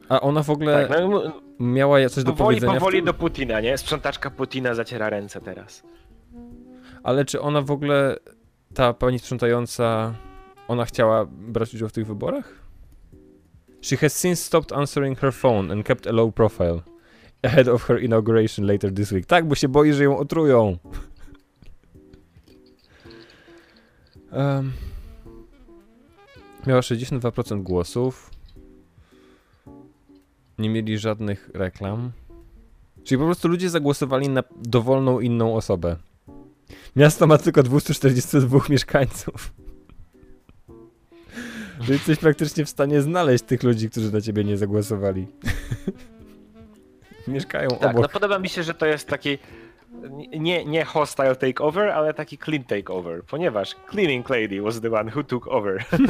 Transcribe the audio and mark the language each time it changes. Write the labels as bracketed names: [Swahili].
[Polish] A ona w ogóle tak, miała coś do powiedzenia? Powoli do Putina, nie? Sprzątaczka Putina zaciera ręce teraz. Ale czy ona w ogóle, ta pani sprzątająca, ona chciała brać udział w tych wyborach? [English] She has since stopped answering her phone and kept a low profile ahead of her inauguration later this week. [Polish] Tak, bo się boi, że ją otrują. Miała 62% głosów. Nie mieli żadnych reklam. Czyli po prostu ludzie zagłosowali na dowolną inną osobę. Miasto ma tylko 242 mieszkańców. Czyli jesteś praktycznie w stanie znaleźć tych ludzi, którzy na ciebie nie zagłosowali. Mieszkają tak, obok. Tak, no podoba mi się, że to jest taki... Nie [English] hostile takeover, [Polish] ale taki [English] clean takeover, [Polish] ponieważ [English] cleaning lady was the one who took over.